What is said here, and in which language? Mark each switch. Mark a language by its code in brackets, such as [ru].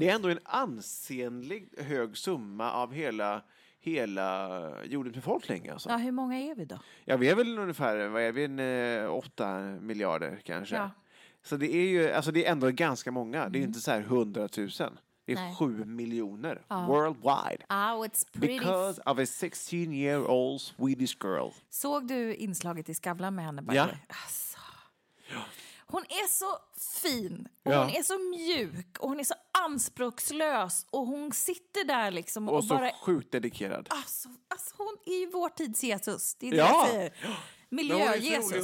[sv] Det är ändå en ansenlig hög summa av hela jordens befolkning. Alltså. Ja, hur många är vi då? Ja, vi är väl ungefär, vad är vi, 8 miljarder kanske. Ja. Så det är ju, alltså det är ändå ganska många. Det är ju inte så här 100 000. Det är 7 miljoner worldwide. [en] Oh, it's pretty. Because of a 16-year-old Swedish girl. [sv] Såg du inslaget i Skavlan med henne? Ja. Ja. Hon är så fin och hon är så mjuk och hon är så anspråkslös och hon sitter där liksom och så bara sjukt dedikerad. Alltså hon är ju vår tids Jesus, det är det jag säger. Miljö-Jesus.